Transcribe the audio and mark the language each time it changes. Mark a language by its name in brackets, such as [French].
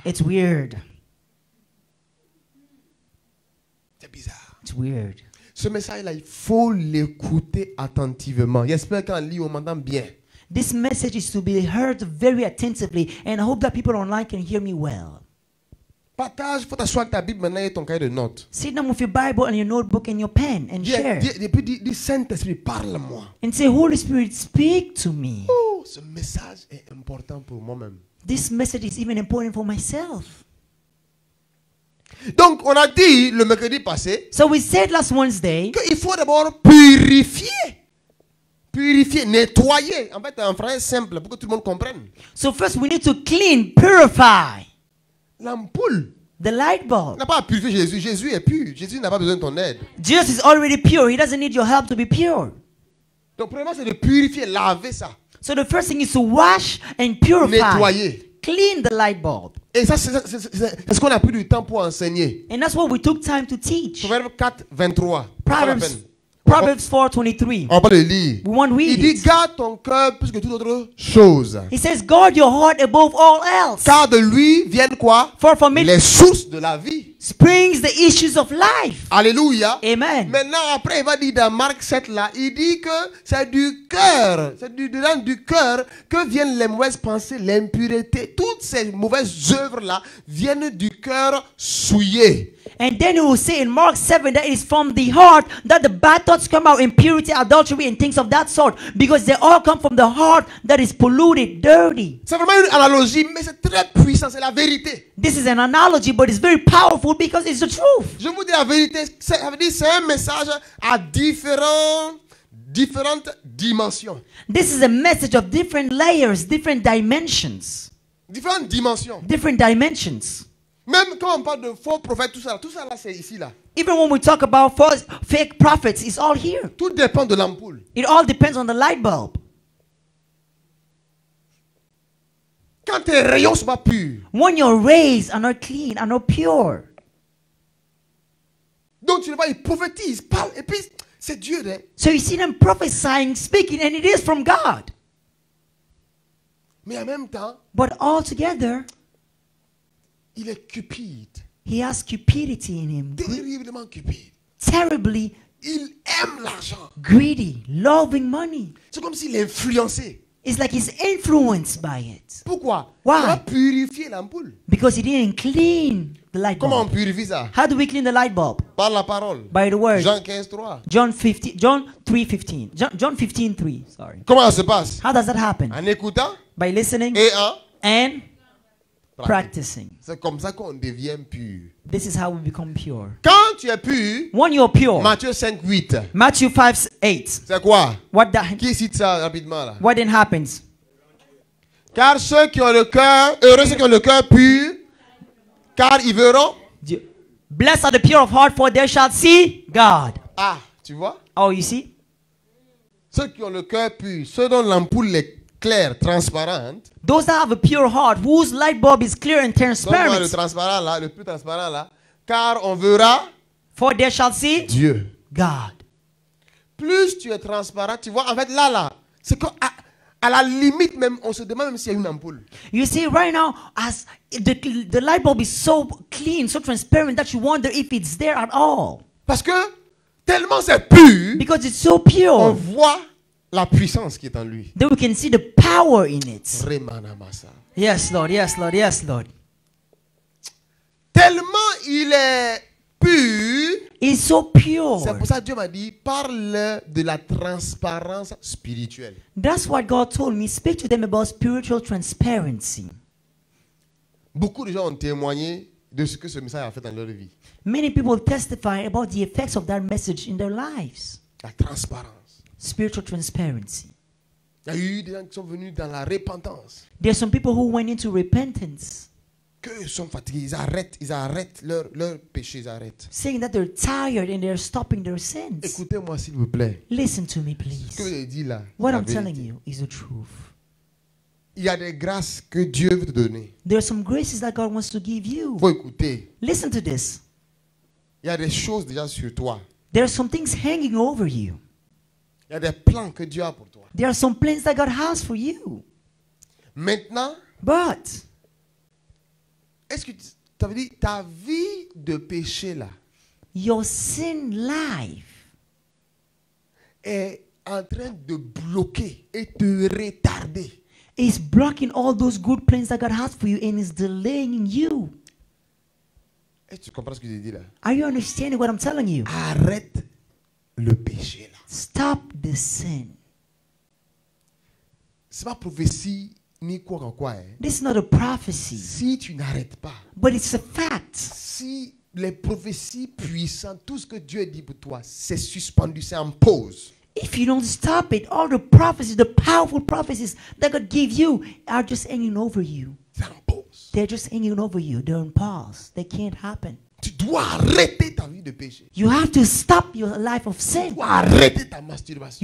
[English] It's weird. [French] C'est bizarre. [English] It's weird. [French] Ce message-là, il faut l'écouter attentivement. J'espère qu'en lit, on m'entend bien. [English] This message is to be heard very attentively, and I hope that people online can hear me well. [French] Partage, faut t'asseoir avec ta Bible maintenant et ton cahier de notes. [English] Sit down with your Bible and your notebook and your pen and share. [French] Dis, Saint-Esprit, parle-moi. [English] And say, Holy Spirit, speak to me. [French] Oh, ce message est important pour moi-même. [English] This message is even important for myself. [French] Donc on a dit le mercredi passé. [English] So we said last Wednesday. [French] Qu'il faut d'abord purifier. Purifier, nettoyer. En fait, en français simple pour que tout le monde comprenne. [English] So first we need to clean, purify. [French] L'ampoule. [English] The light bulb. [French] N'a pas à purifier Jésus. Jésus est pur. Jésus n'a pas besoin de ton aide. [English] Jesus is already pure. He doesn't need your help to be pure. [French] Donc premièrement c'est de purifier, laver ça. [English] So the first thing is to wash and purify. [French] Nettoyer. [English] Clean the light bulb. [French] Et ça, c'est ce qu'on a pris du temps pour enseigner. [English] And that's what we took time to teach. [French] Proverbe 4, 23. [English] Proverbs 4, 23. [French] On va le lire. [English] We won't read it. [French] Il dit, garde ton cœur plus que toute autre chose. [English] He says, guard your heart above all else. [French] Car de lui viennent quoi? [English] For from it, [French] les sources de la vie. [English] Springs the issues of life. [French] Alléluia. [English] Amen. [French] Maintenant, après, il va dire dans Marc 7 là, il dit que c'est du cœur, c'est du dedans du cœur que viennent les mauvaises pensées, l'impureté. Toutes ces mauvaises œuvres là viennent du cœur souillé. [English] And then he will say in Mark 7 that it is from the heart that the bad thoughts come out, impurity, adultery, and things of that sort, because they all come from the heart that is polluted, dirty. [French] C'est vraiment une analogie, mais c'est très puissant, c'est la vérité. [English] This is an analogy, but it's very powerful because it's the truth. [French] Je vous dis la vérité, c'est un message à différentes dimensions. [English] This is a message of different layers, different dimensions. [French] Différentes dimensions. [English] Different dimensions. [French] Même quand on parle de faux prophètes, tout ça là, c'est ici là. [English] Even when we talk about false, fake prophets, it's all here. [French] Tout dépend de l'ampoule. [English] It all depends on the light bulb. [French] Quand tes rayons sont pas purs. [English] When your rays are not clean, are not pure. [French] Donc tu le vois, ils prophétisent, ils parlent, et puis c'est Dieu, hein. [English] So you see them prophesying, speaking, and it is from God. [French] Mais en même temps. [English] But all together. [French] Il est cupide. [English] He has cupidity in him. [French] Terriblement cupide. [English] Terribly. [French] Il aime l'argent. [English] Greedy, loving money. [French] C'est comme s'il est influencé. [English] It's like he's influenced by it. [French] Pourquoi? [English] Why? [French] Il a purifié l'ampoule. [English] Because he didn't clean the light bulb. [French] Comment on purifie ça? [English] How do we clean the light bulb? [French] Par la parole. [English] By the word. [French] Jean 15, 3. [English] John 15, 3. [French] Comment ça se passe? [English] How does that happen? [French] En écoutant. [English] By listening. [French] Et en. [English] And. Practicing. [French] C'est comme ça qu'on devient pur. [English] This is how we become pure. [French] Quand tu es pur, [English] when you are pure. [French] Matthieu 5, 8. [English] Matthew 5, 8. [French] C'est quoi? [English] What the, [French] qui cite ça rapidement là? [English] What then happens? [French] Car ceux qui ont le cœur, heureux ceux qui ont le cœur pur, car ils verront. Dieu. [English] Blessed are the pure of heart, for they shall see God. [French] Ah, tu vois? [English] Oh, you see? [French] Ceux qui ont le cœur pur, ceux dont l'ampoule est claire, transparente. [English] Those that have a pure heart, whose light bulb is clear and transparent. [French] Donc, le transparent là, le plus transparent là, car on verra. [English] For they shall see. [French] Dieu. [English] God. [French] Plus tu es transparent, tu vois, en fait là là, c'est que à la limite même, on se demande même s'il y a une ampoule. [English] You see, right now, as the light bulb is so clean, so transparent that you wonder if it's there at all. [French] Parce que tellement c'est pur. [English] Because it's so pure. [French] On voit. La puissance qui est en lui. [English] Then we can see the power in it. Remanamasa. Yes, Lord. Yes, Lord. Yes, Lord. [French] Tellement il est pur. [English] He's so pure. [French] C'est pour ça que Dieu m'a dit, parle de la transparence spirituelle. [English] That's what God told me. Speak to them about spiritual transparency. [French] Beaucoup de gens ont témoigné de ce que ce message a fait dans leur vie. [English] Many people testify about the effects of that message in their lives. [French] La transparence. [English] Spiritual transparency. [French] Il y a eu des gens qui sont venus dans la repentance. [English] There are some people who went into repentance. [French] Que ils sont fatigués, ils arrêtent leur péché, ils arrêtent. [English] Saying that they're tired and they're stopping their sins. [French] Écoutez-moi s'il vous plaît. [English] Listen to me please. [French] Ce que j'ai dit là. [English] What I'm telling you is the truth. [French] Il y a des grâces que Dieu veut te donner. [English] There are some graces that God wants to give you. [French] Faut écouter. [English] Listen to this. [French] Il y a des choses déjà sur toi. [English] There are some things hanging over you. [French] Il y a des plans que Dieu a pour toi. [English] There are some plans that God has for you. [French] Maintenant. [English] But. [French] Est-ce que tu as dit ta vie de péché là? [English] Your sin life. [French] Est en train de bloquer et te retarder. [English] It's blocking all those good plans that God has for you and is delaying you. [French] Est-ce que tu comprends ce que je dis là? [English] Are you understanding what I'm telling you? [French] Arrête le péché là. [English] Stop the sin. [French] C'est ma prophétie [English] This is not a prophecy. [French] Si tu n'arrêtes pas. [English] But it's a fact. [French] Si les prophéties puissantes, tout ce que Dieu dit pour toi, c'est suspendu, c'est en pause. [English] If you don't stop it, all the prophecies, the powerful prophecies that God gave you are just hanging over you. [French] C'est en pause. [English] They're just hanging over you. They're in pause. They can't happen. [French] Tu dois arrêter ta vie de péché. [English] You have to stop your life of sin. [French] Tu dois arrêter ta masturbation.